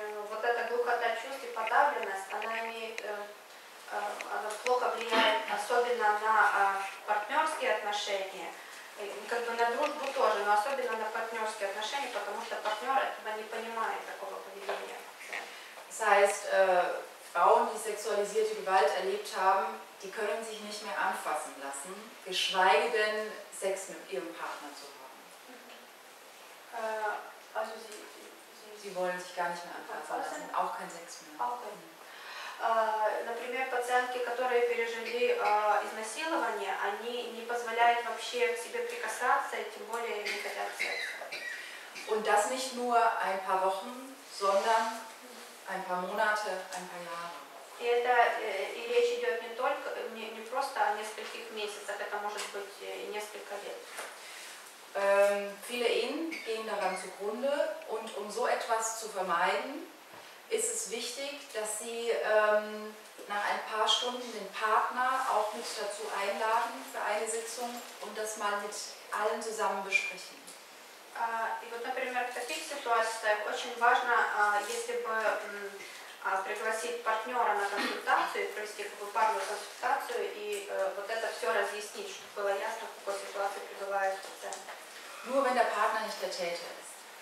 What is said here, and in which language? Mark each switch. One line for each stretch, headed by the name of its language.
Russian: Вот эта глухота чувств и подавленность, она имеет, она плохо влияет, особенно на партнерские отношения, как бы на дружбу тоже, но особенно на партнерские отношения, потому что партнер этого не понимает такого поведения.
German: Das heißt, Frauen, die sexualisierte Gewalt erlebt haben, die können sich nicht mehr anfassen lassen, geschweige denn Sex mit ihrem Partner zu haben. Also sie wollen sich gar nicht mehr anfassen lassen, auch kein Sex mehr. Okay.
Russian: Например, пациентки, которые пережили изнасилование, они не позволяют вообще к себе прикасаться, и тем более не хотят секса.
German: Und das nicht nur ein paar Wochen, sondern ein paar Monate, ein paar Jahre.
Russian: И это и речь идет не только не просто о нескольких месяцах, это может быть и несколько лет.
German: Viele Ehen gehen daran zugrunde und um so etwas zu vermeiden, ist es wichtig, dass sie nach ein paar Stunden den Partner auch mit dazu einladen für eine Sitzung und das mal mit allen zusammen besprechen.
Russian: И вот, например, в таких ситуациях очень важно, если бы пригласить партнера на консультацию, провести парную консультацию и вот это все разъяснить, чтобы было ясно, в какой ситуации пребывает пациент.
German: Nur wenn der Partner nicht der Täter ist.